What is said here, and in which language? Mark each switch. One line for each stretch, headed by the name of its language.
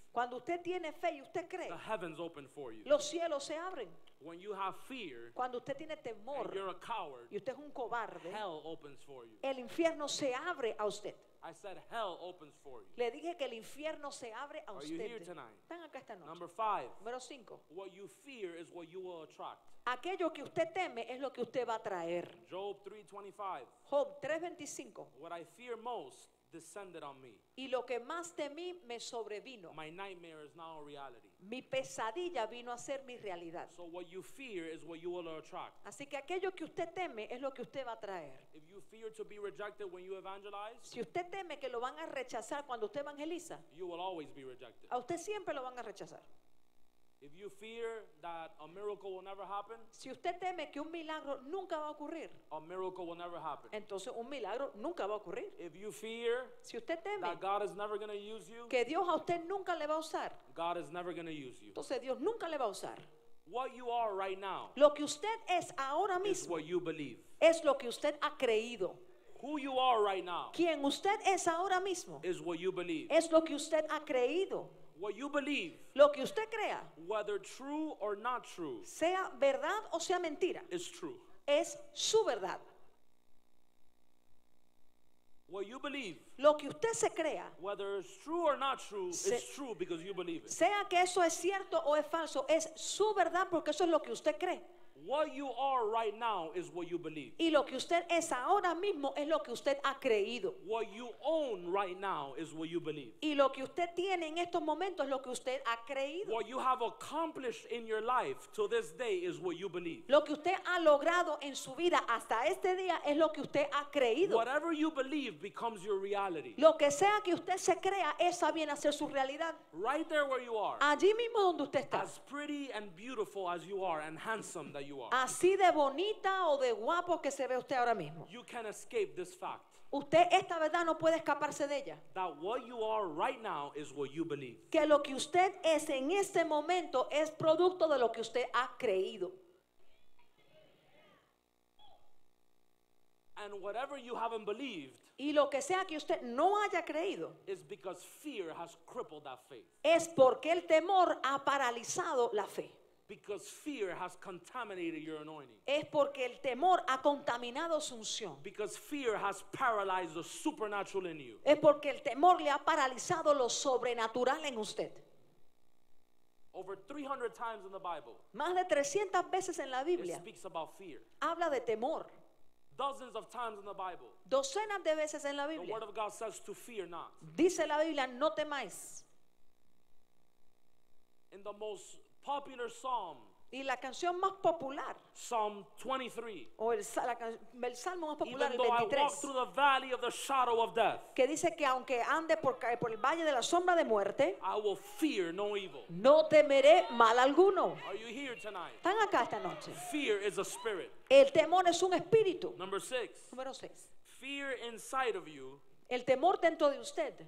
Spanish: cuando usted tiene fe y usted cree,
English: the heavens open for you.
Spanish: Los cielos se abren.
English: When you have fear,
Spanish: cuando usted tiene temor
English: and you're a coward,
Spanish: y usted es un cobarde,
English: hell opens for you.
Spanish: El infierno se abre a usted.
English: I said hell opens for you.
Spanish: Le dije que el infierno se abre a
English: Are You here tonight?
Spanish: Están acá esta noche.
English: Number five.
Spanish: Número cinco.
English: What you fear is what you will attract.
Spanish: Aquello que usted teme es lo que usted va a traer.
English: Job 3:25.
Spanish: Job 3:25.
English: What I fear most descended on me.
Spanish: Y lo que más temí me sobrevino.
English: My nightmare is now a reality.
Spanish: Mi pesadilla vino a ser mi realidad.
English: So what you fear is what you will attract.
Spanish: Así que aquello que usted teme es lo que usted va a traer.
English: If you fear to be rejected when you evangelize,
Spanish: si usted teme que lo van a rechazar cuando usted evangeliza,
English: you will always be rejected.
Spanish: A usted siempre lo van a rechazar.
English: If you fear that a miracle will never happen,
Spanish: si usted teme que un milagro nunca va a ocurrir,
English: a miracle will never happen.
Spanish: Entonces un milagro nunca va a ocurrir.
English: If you fear,
Spanish: si usted teme
English: that God is never going to use you,
Spanish: que Dios a usted nunca le va a usar,
English: God is never going to use you.
Spanish: Entonces Dios nunca le va a usar.
English: What you are right now,
Spanish: lo que usted es ahora mismo,
English: is what you believe.
Spanish: Es lo que usted ha creído.
English: Who you are right now,
Spanish: quien usted es ahora mismo,
English: is what you believe.
Spanish: Es lo que usted ha creído.
English: What you believe,
Spanish: lo que usted crea,
English: whether true or not true,
Spanish: sea verdad o sea mentira,
English: is true.
Spanish: Es su verdad.
English: What you believe,
Spanish: lo que usted se crea,
English: whether it's true or not true, is true because you believe it.
Spanish: Sea que eso es cierto o es falso, es su verdad porque eso es lo que usted cree.
English: What you are right now is what you believe.
Spanish: Y lo que usted es ahora mismo es lo que usted ha creído.
English: What you own right now is what you believe.
Spanish: Y lo que usted tiene en estos momentos es lo que usted ha creído.
English: What you have accomplished in your life to this day is what you believe.
Spanish: Lo que usted ha logrado en su vida hasta este día es lo que usted ha creído.
English: Whatever you believe becomes your reality.
Spanish: Lo que sea que usted se crea, esa viene a ser su realidad.
English: Right there where you are.
Spanish: Allí mismo donde usted está.
English: As pretty and beautiful as you are and handsome that you are.
Spanish: Así de bonita o de guapo que se ve usted ahora mismo.
English: You can escape this fact.
Spanish: Usted esta verdad no puede escaparse de ella.
English: That what you are right now is what you believe.
Spanish: Que lo que usted es en este momento es producto de lo que usted ha creído.
English: And whatever you haven't believed,
Spanish: y lo que sea que usted no haya creído,
English: is because fear has crippled that faith.
Spanish: Es porque el temor ha paralizado la fe.
English: Because fear has contaminated your anointing.
Spanish: Es porque el temor ha contaminado su unción.
English: Because fear has paralyzed the supernatural in you.
Spanish: Es porque el temor le ha paralizado lo sobrenatural en usted.
English: Over 300 times in the Bible,
Spanish: más de 300 veces en la Biblia,
English: it speaks about fear.
Spanish: Habla de temor.
English: Dozens of times in the Bible,
Spanish: docenas de veces en la Biblia,
English: the Word of God says to fear not.
Spanish: Dice la Biblia, no temáis.
English: In the most popular psalm,
Spanish: y la canción más popular,
English: Psalm 23,
Spanish: o el salmo más popular,
English: even though
Spanish: el 23,
English: I walk through the valley of the shadow of death,
Spanish: que dice que aunque ande por el valle de la sombra de muerte,
English: I will fear no evil,
Spanish: no temeré mal alguno.
English: Are you here tonight?
Spanish: ¿Están acá esta noche?
English: Fear is a spirit.
Spanish: El temor es un espíritu.
English: Number six,
Spanish: número 6,
English: fear inside of you,
Spanish: el temor dentro de usted,